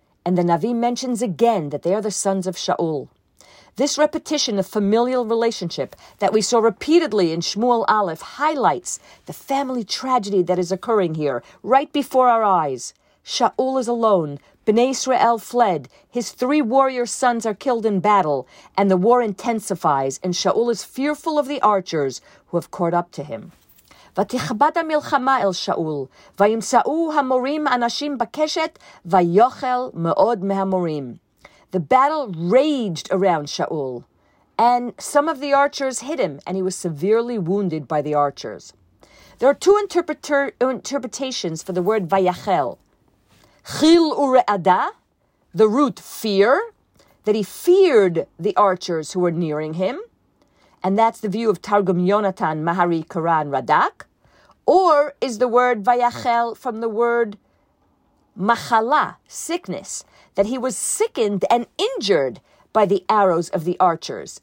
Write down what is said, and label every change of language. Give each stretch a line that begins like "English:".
English: and the Navi mentions again that they are the sons of Shaul. This repetition of familial relationship that we saw repeatedly in Shmuel Aleph highlights the family tragedy that is occurring here, right before our eyes. Shaul is alone, Bnei Israel fled, his three warrior sons are killed in battle, and the war intensifies, and Shaul is fearful of the archers who have caught up to him.
Hebrew: ותכבד המלחמה אל שאול, וימצאו המורים אנשים בקשת, ויוכל מאוד מהמורים.
English: The battle raged around Shaul, and some of the archers hit him, and he was severely wounded by the archers. There are two interpretations for the word vayachel. Chil ureada, the root fear, that he feared the archers who were nearing him, and that's the view of Targum Yonatan, Mahari, Karan, Radak, or is the word vayachel from the word machala, sickness, that he was sickened and injured by the arrows of the archers.